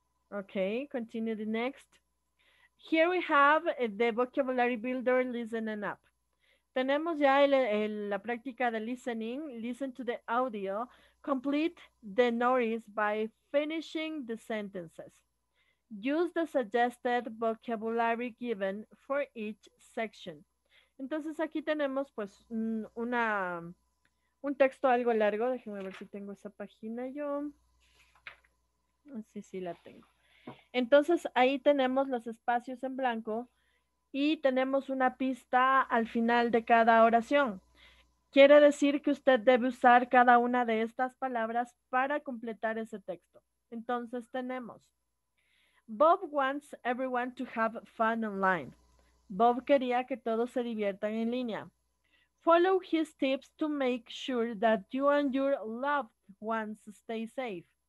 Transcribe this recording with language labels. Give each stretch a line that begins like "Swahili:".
English: Ok, continue the next. Here we have the vocabulary builder, listen and up.
Spanish: Tenemos ya la práctica de listening.
English: Listen to the audio. Complete the notice by finishing the sentences. Use the suggested vocabulary given for each section.
Spanish: Entonces aquí tenemos pues un texto algo largo. Déjenme ver si tengo esa página yo. Sí, sí la tengo. Entonces ahí tenemos los espacios en blanco y tenemos una pista al final de cada oración. Quiere decir que usted debe usar cada una de estas palabras para completar ese texto. Entonces tenemos,
English: Bob wants everyone to have fun online.
Spanish: Bob quería que todos se diviertan en línea.
English: Follow his tips to make sure that you and your loved ones stay safe.